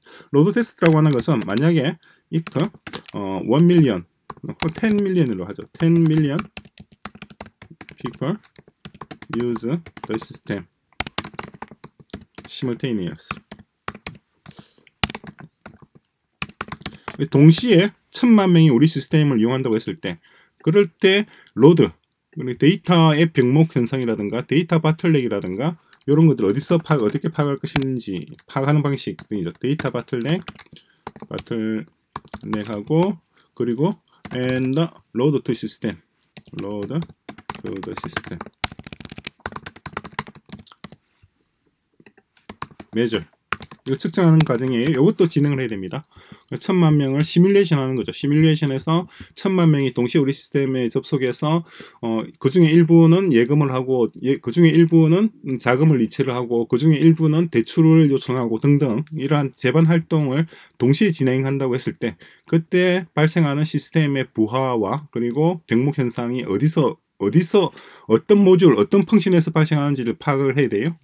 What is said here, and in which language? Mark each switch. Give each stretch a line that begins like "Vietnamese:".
Korean: 로드 테스트라고 하는 것은 만약에
English: if 1 million
Korean: 10 million으로 하죠.
English: 10 million people use the system simultaneously.
Korean: 동시에 천만 명이 우리 시스템을 이용한다고 했을 때, 그럴 때 로드, 데이터의 병목 현상이라든가 데이터 바틀넥이라든가 이런 것들 어디서 어떻게 파악할 것인지 파악하는 방식 등이죠. 데이터 바틀넥하고 그리고
English: and load to system, load to the system, measure
Korean: 이거 측정하는 과정이에요. 이것도 진행을 해야 됩니다. 천만 명을 시뮬레이션 하는 거죠. 시뮬레이션에서 천만 명이 동시에 우리 시스템에 접속해서 그 중에 일부는 예금을 하고, 그 중에 일부는 자금을 이체를 하고, 그 중에 일부는 대출을 요청하고 등등 이러한 재반 활동을 동시에 진행한다고 했을 때, 그때 발생하는 시스템의 부하와 그리고 병목 현상이 어디서 어떤 모듈, 어떤 펑션에서 발생하는지를 파악을 해야 돼요.